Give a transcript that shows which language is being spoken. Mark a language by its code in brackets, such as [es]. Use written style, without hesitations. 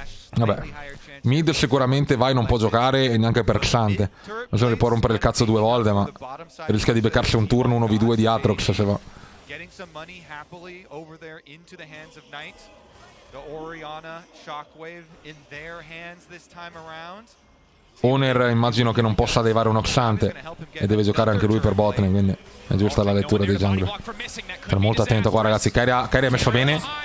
[it] Vabbè, mid sicuramente vai, non può giocare, e neanche per Xante. Non so, li può rompere il cazzo due volte, ma rischia di beccarsi un turno 1v2 di Aatrox se va. [en] Getting some money happily over there into the hands of Knight. The Orianna Shockwave in their hands this time around. [it] Owner immagino che non possa levare uno Xante e deve giocare anche lui per botlane, quindi è giusta la lettura dei jungle. Stiamo molto attento qua ragazzi, Kairi ha messo bene.